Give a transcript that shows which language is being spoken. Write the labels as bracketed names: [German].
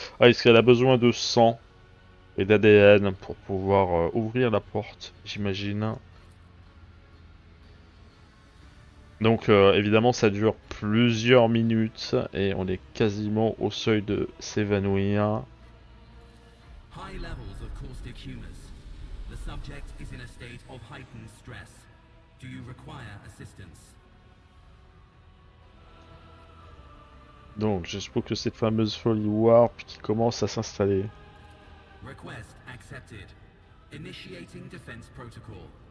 [French] Ah, est-ce qu'elle a besoin de sang et d'ADN pour pouvoir ouvrir la porte, j'imagine. Donc, évidemment, ça dure plusieurs minutes et on est quasiment au seuil de s'évanouir. [English] High levels of caustic humus. The subject is in a state of heightened stress. Do you require assistance? [French] Donc, j'espère que cette fameuse folie warp qui commence à s'installer. [English] Request accepted. Initiating defense protocol.